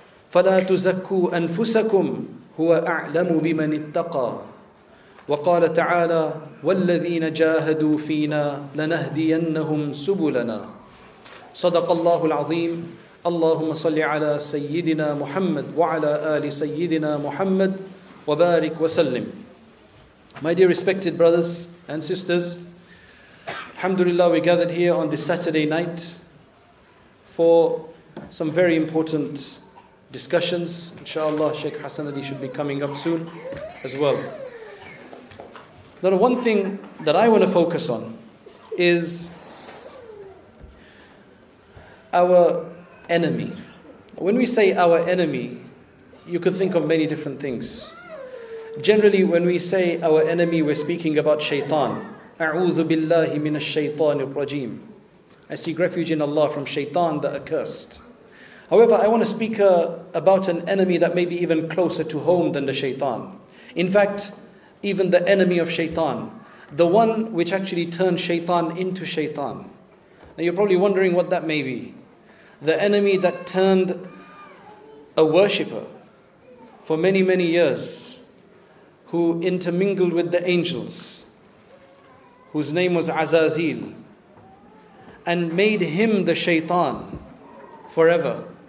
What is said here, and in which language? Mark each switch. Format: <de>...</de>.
<ar>فلا تزكوا أنفسكم هو أعلم بمن اتقى وقال تعالى والذين جاهدوا فينا لنهدينهم سبلنا صدق الله العظيم اللهم صل على سيدنا محمد وعلى آل سيدنا محمد وبارك وسلم.</ar> <en>My dear respected brothers and sisters, Alhamdulillah, we gathered here on this Saturday night for some very important discussions. Inshallah, Sheikh Hassan Ali should be coming up soon as well. Now, one thing that I want to focus on is our enemy. When we say our enemy, you could think of many different things. Generally, when we say our enemy, we're speaking about shaitan.</en> <ar>أعوذ بالله من الشيطان الرجيم.</ar> <en>I seek refuge in Allah from shaitan, the accursed. However, I want to speak about an enemy that may be even closer to home than the shaitan. In fact, even the enemy of shaitan, the one which actually turned shaitan into shaitan. Now you're probably wondering what that may be. The enemy that turned a worshipper for many, many years, who intermingled with the angels, whose name was Azazil, and made him the shaitan forever.</en>